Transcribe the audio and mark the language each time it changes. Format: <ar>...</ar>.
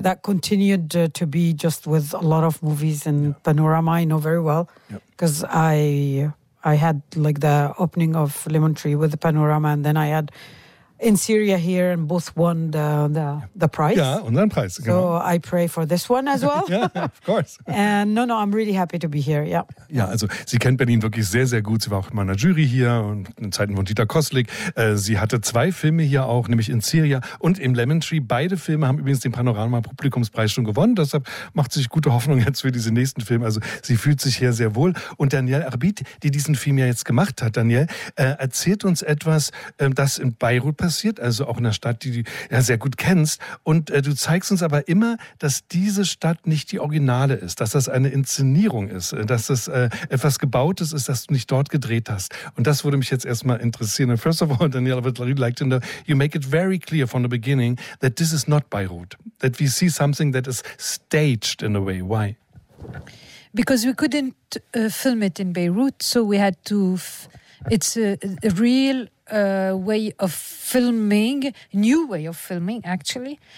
<en>That continued to be just with a lot of movies and Panorama I know very well. Because I had like the opening of Lemon Tree with the Panorama and then I had in Syria here and both won the prize.</en> <de>Yeah, unseren Preis.</de> <en>So I pray for this one as well. Yeah, of course. And no, I'm really happy to be here, yeah.</en> <de>Ja, also sie kennt Berlin wirklich sehr, sehr gut. Sie war auch in meiner Jury hier und in Zeiten von Dieter Kosslick. Sie hatte zwei Filme hier auch, nämlich in Syria und im Lemon Tree. Beide Filme haben übrigens den Panorama-Publikumspreis schon gewonnen. Deshalb macht sich gute Hoffnung jetzt für diese nächsten Filme. Also sie fühlt sich hier sehr wohl. Und Danielle Arbit, die diesen Film ja jetzt gemacht hat, Danielle, erzählt uns etwas, das in Beirut passiert, also auch in einer Stadt, die du ja sehr gut kennst. Und du zeigst uns aber immer, dass diese Stadt nicht die Originale ist, dass das eine Inszenierung ist, dass das etwas Gebautes ist, das du nicht dort gedreht hast. Und das würde mich jetzt erstmal interessieren.</de> <en>And first of all, Danielle, I would like to know, you make it very clear from the beginning that this is not Beirut, that we see something that is staged in a way. Why? Because we couldn't film it in Beirut, so we had to... It's a real way of filming, new way of filming, actually.</en>